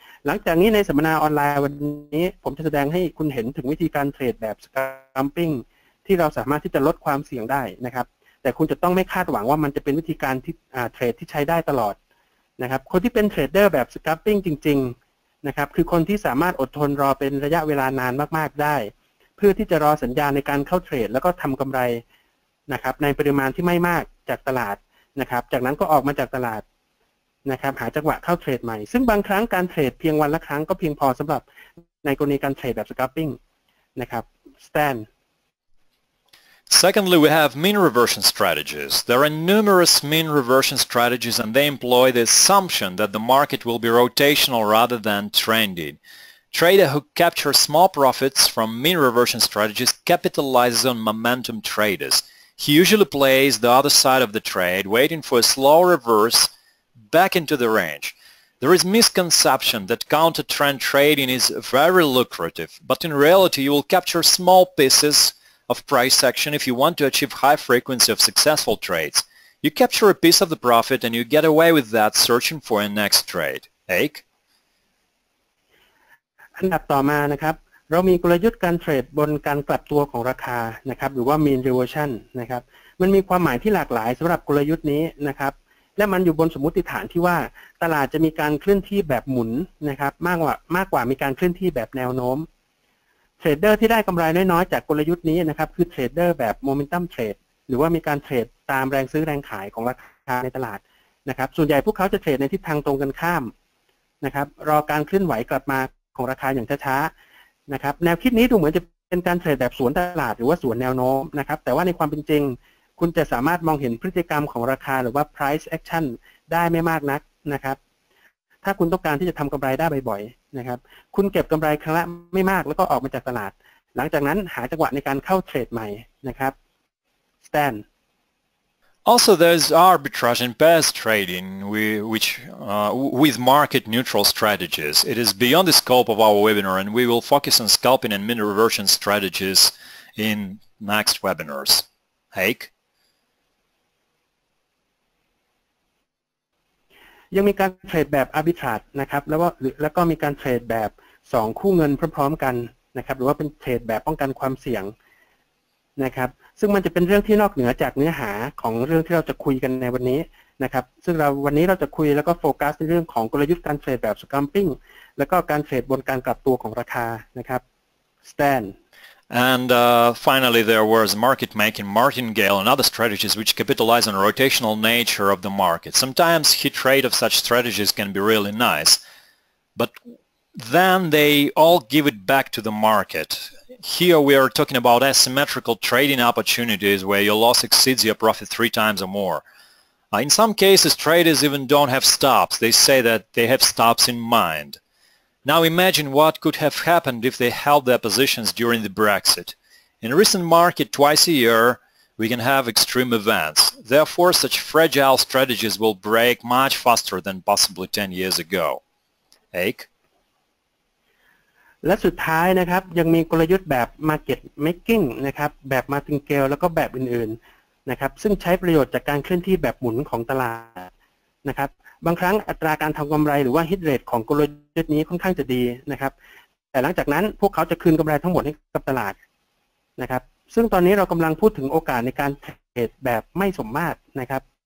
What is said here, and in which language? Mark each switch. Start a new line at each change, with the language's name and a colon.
Thai: หลังจากนี้ในสัมมนาออนไลน์วันนี้ผมจะแสดงให้คุณเห็นถึงวิธีการเทรดแบบ scalping ที่เราสามารถที่จะลดความเสี่ยงได้นะครับแต่คุณจะต้องไม่คาดหวังว่ามันจะเป็นวิธีการที่เทรดที่ใช้ได้ตลอดนะครับคนที่เป็นเทรดเดอร์แบบ scalping จริงๆนะครับคือคนที่สามารถอดทนรอเป็นระยะเวลานานมากๆได้เพื่อที่จะรอสัญญาณในการเข้าเทรดแล้วก็ทำกำไร นะครับในปริมาณที่ไม่มากจากตลาดนะครับจากนั้นก็ออกมาจากตลาดนะครับหาจังหวะเข้าเทรดใหม่ซึ่งบางครั้งการเทรดเพียงวันละครั้งก็เพียงพอสำหรับในกรณีการเทรดแบบ scalping นะครับ Stan
English: Secondly we have mean reversion strategies there are numerous mean reversion strategies and they employ the assumption that the market will be rotational rather than trendy Trader who captures small profits from mean reversion strategies capitalizes on momentum traders. He usually plays the other side of the trade, waiting for a slow reverse back into the range. There is misconception that counter trend trading is very lucrative, but in reality you will capture small pieces of price action if you want to achieve high frequency of successful trades. You capture a piece of the profit and you get away with that searching for a next trade. Ake?
Thai: อันดับต่อมานะครับเรามีกลยุทธ์การเทรดบนการกลับตัวของราคานะครับหรือว่า mean reversion นะครับมันมีความหมายที่หลากหลายสำหรับกลยุทธ์นี้นะครับและมันอยู่บนสมมติฐานที่ว่าตลาดจะมีการเคลื่อนที่แบบหมุนนะครับมากกว่ามีการเคลื่อนที่แบบแนวโน้ม เทรดเดอร์ที่ได้กำไรน้อยๆจากกลยุทธ์นี้นะครับคือเทรดเดอร์แบบโมเมนตัมเทรดหรือว่ามีการเทรดตามแรงซื้อแรงขายของราคาในตลาดนะครับส่วนใหญ่พวกเขาจะเทรดในทิศทางตรงกันข้ามนะครับรอการเคลื่อนไหวกลับมาของราคาอย่างช้าๆนะครับแนวคิดนี้ดูเหมือนจะเป็นการเทรดแบบสวนตลาดหรือว่าสวนแนวโน้มนะครับแต่ว่าในความเป็นจริงคุณจะสามารถมองเห็นพฤติกรรมของราคาหรือว่า price action ได้ไม่มากนักนะครับ ถ้าคุณต้องการที่จะทำกำไรได้บ่อยๆนะครับคุณเก็บกำไรครั้งละไม่มากแล้วก็ออกมาจากตลาดหลังจากนั้นหาจังหวะในการเข้าเทรดใหม่นะครับ Stan
English: Also there's arbitrage and pairs trading which with market neutral strategies. It is beyond the scope of our webinar and we will focus on scalping and mean reversion strategies in next webinars. Hake?
Thai: ยังมีการเทรดแบบ arbitrage นะครับแล้วก็มีการเทรดแบบ2คู่เงินพร้อมๆกันนะครับหรือว่าเป็นเทรดแบบป้องกันความเสี่ยงนะครับซึ่งมันจะเป็นเรื่องที่นอกเหนือจากเนื้อหาของเรื่องที่เราจะคุยกันในวันนี้นะครับซึ่งเราวันนี้เราจะคุยแล้วก็โฟกัสในเรื่องของกลยุทธ์การเทรดแบบ scalping แล้วก็การเทรดบนการกลับตัวของราคานะครับ Stan
English: And finally there was market making martingale and other strategies which capitalize on rotational nature of the market sometimes hit rate of such strategies can be really nice but then they all give it back to the marketHere we are talking about asymmetrical trading opportunities where your loss exceeds your profit three times or more. In some cases, traders even don't have stops. They say that they have stops in mind. Now imagine what could have happened if they held their positions during the Brexit. In a recent market, twice a year, we can have extreme events. Therefore, such fragile strategies will break much faster than possibly 10 years ago. Ake?
Thai: และสุดท้ายนะครับยังมีกลยุทธ์แบบ market making นะครับแบบ martingale แล้วก็แบบอื่นๆนะครับซึ่งใช้ประโยชน์จากการเคลื่อนที่แบบหมุนของตลาดนะครับบางครั้งอัตราการทำกำไรหรือว่า hit rate ของกลยุทธ์นี้ค่อนข้างจะดีนะครับแต่หลังจากนั้นพวกเขาจะคืนกำไรทั้งหมดให้กับตลาดนะครับซึ่งตอนนี้เรากำลังพูดถึงโอกาสในการเทรดแบบไม่สมมาตรนะครับ